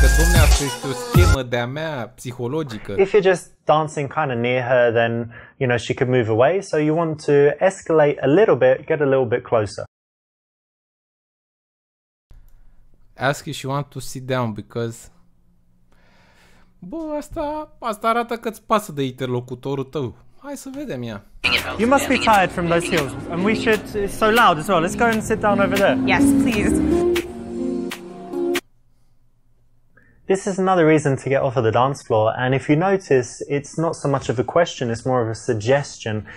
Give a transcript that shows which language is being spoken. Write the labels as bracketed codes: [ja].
[en] If you're just dancing kind of near her, then you know she could move away. So you want to escalate a little bit, get a little bit closer. Ask if she wants to sit down because. [ro] Bă, asta arată că îți pasă de interlocutorul tău. Hai să vedem ea. [en] You must be tired from those heels, and we should. It's so loud as well. Let's go and sit down over there. Yes, please. This is another reason to get off of the dance floor, and if you notice, it's not so much of a question, it's more of a suggestion.